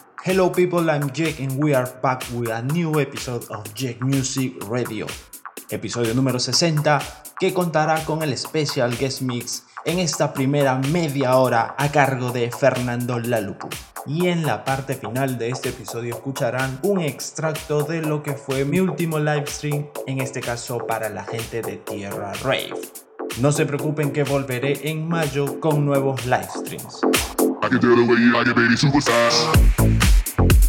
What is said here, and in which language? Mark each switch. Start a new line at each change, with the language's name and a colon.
English: Hello people, I'm Jake and we are back with a new episode of Jake Music Radio.
Spanish: Episodio número 60, que contará con el special guest mix en esta primera media hora a cargo de Fernando Lalupu. Y en la parte final de este episodio escucharán un extracto de lo que fue mi último live stream, en este caso para la gente de Tierra Rave. No se preocupen que volveré en mayo con nuevos live streams.
English: I can feel the way you like it, baby, superstar.